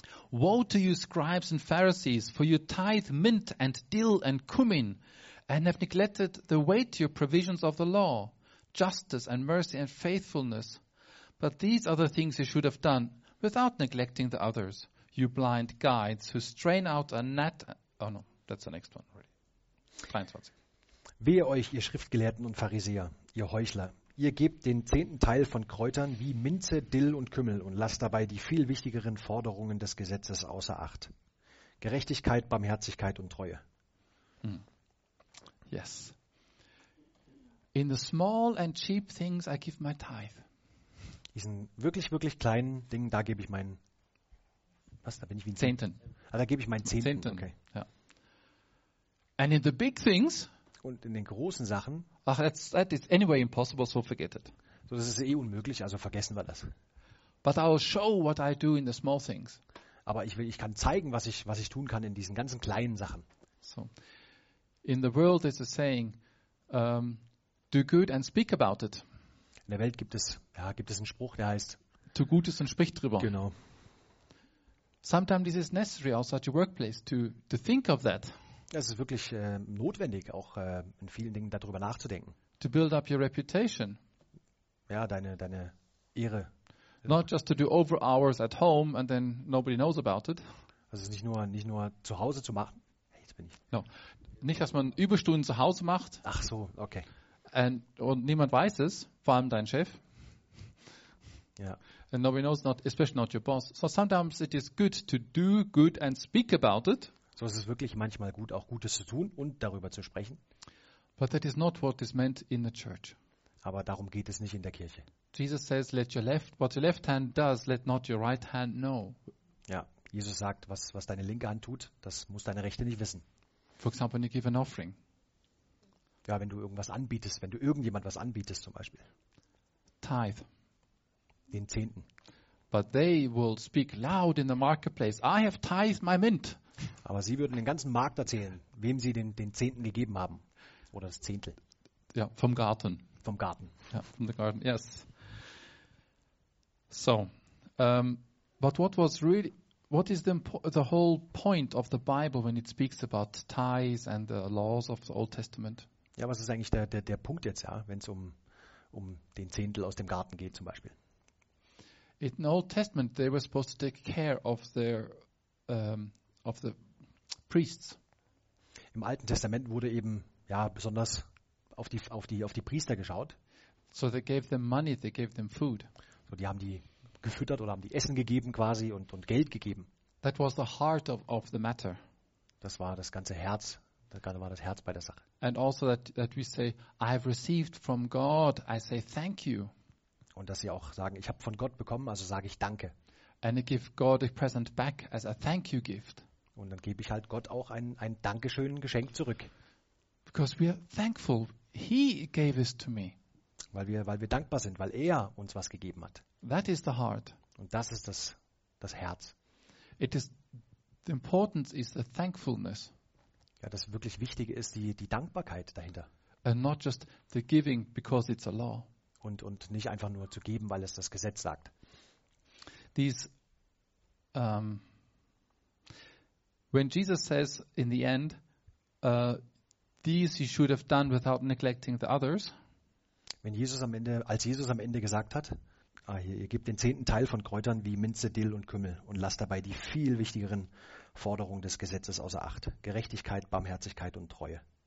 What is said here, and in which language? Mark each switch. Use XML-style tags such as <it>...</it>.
<en>Woe to you, scribes and Pharisees, for you tithe mint and dill and cumin, and have neglected the weightier provisions of the law, justice and mercy and faithfulness. But these are the things you should have done, without neglecting the others, you blind guides, who strain out a gnat. Oh no, that's the next one already. 23.</en> <de>Wehe euch, ihr Schriftgelehrten und Pharisäer, ihr Heuchler! Ihr gebt den zehnten Teil von Kräutern wie Minze, Dill und Kümmel und lasst dabei die viel wichtigeren Forderungen des Gesetzes außer Acht. Gerechtigkeit, Barmherzigkeit und Treue.</de> <en>Yes. In the small and cheap things I give my tithe.</en> <de>Diesen wirklich, wirklich kleinen Dingen, da gebe ich meinen... Was, da bin ich wie ein Zehnten. Ah, da gebe ich meinen Zehnten, okay. Ja.</de> <en>And in the big things...</en> <de>Und in den großen Sachen... Ach,</de> <en>that is anyway impossible, so forget it.</en> <de>So, das ist eh unmöglich, also vergessen wir das.</de> <en>But I'll show what I do in the small things.</en> <de>Aber ich kann zeigen, was ich tun kann in diesen ganzen kleinen Sachen.</de> <en>So, in the world is a saying, do good and speak about it.</en> <de>In der Welt gibt es einen Spruch, der heißt, tu Gutes und sprich drüber. Genau.</de> <en>Sometimes this is necessary also at your workplace to think of that.</en> <de>Es ist wirklich notwendig, auch in vielen Dingen darüber nachzudenken.</de> <en>To build up your reputation.</en> <de>Ja, deine Ehre.</de> <en>Not just to do over hours at home and then nobody knows about it.</en> <de>Also nicht nur zu Hause zu machen. Hey, jetzt bin ich.</de> <en>No.</en> <de>Nicht, dass man Überstunden zu Hause macht. Ach so, okay. Und niemand weiß es, vor allem dein Chef. Ja.</de> <en>And nobody knows, not especially not your boss. So sometimes it is good to do good and speak about it.</en> <de>So ist es wirklich manchmal gut, auch Gutes zu tun und darüber zu sprechen.</de> <en>But that is not what is meant in the church.</en> <de>Aber darum geht es nicht in der Kirche.</de> <en>Jesus says, let what your left hand does, let not your right hand know.</en> <de>Ja, Jesus sagt, was deine linke Hand tut, das muss deine rechte nicht wissen.</de> <en>For example, when you give an offering.</en> <de>Ja, wenn du irgendwas anbietest, wenn du irgendjemand was anbietest zum Beispiel.</de> <en>Tithe.</en> <de>Den Zehnten.</de> <en>But they will speak loud in the marketplace. I have tithed my mint.</en> <de>Aber sie würden den ganzen Markt erzählen, wem sie den Zehnten gegeben haben. Oder das Zehntel. Ja, vom Garten. Vom Garten. Ja,</de> <en>from the garden, yes. So, but what is the whole point of the Bible when it speaks about tithes and the laws of the Old Testament?</en> <de>Ja, was ist eigentlich der Punkt jetzt, ja, wenn es um den Zehntel aus dem Garten geht zum Beispiel?</de> <en>In the Old Testament, they were supposed to take care of their... of the priests.</en> <de>Im Alten Testament wurde eben ja besonders auf die Priester geschaut.</de> <en>So they gave them money, they gave them food.</en> <de>So die haben die gefüttert oder haben die Essen gegeben quasi und Geld gegeben.</de> <en>That was the heart of the matter.</en> <de>Das war das ganze Herz, da war das Herz bei der Sache.</de> <en>And also that we say, I have received from God, I say thank you.</en> <de>Und dass sie auch sagen, ich habe von Gott bekommen, also sage ich danke.</de> <en>And I give God a present back as a thank you gift.</en> <de>Und dann gebe ich halt Gott auch ein Dankeschön Geschenk zurück.</de> <en>Because we are thankful, He gave it to me.</en> <de>Weil wir dankbar sind, weil er uns was gegeben hat.</de> <en>That is the heart.</en> <de>Und das ist das Herz.</de> <en>The importance is the thankfulness.</en> <de>Ja, das wirklich Wichtige ist die Dankbarkeit dahinter.</de> <en>And not just the giving because it's a law.</en> <de>Und nicht einfach nur zu geben, weil es das Gesetz sagt.</de> <en>These When Jesus says in the end, these you should have done without neglecting the others.</en> <de>Wenn Jesus am Ende, als Jesus am Ende gesagt hat, ihr gebt den zehnten Teil von Kräutern wie Minze, Dill und Kümmel und lasst dabei die viel wichtigeren Forderungen des Gesetzes außer Acht: Gerechtigkeit, Barmherzigkeit und Treue.</de>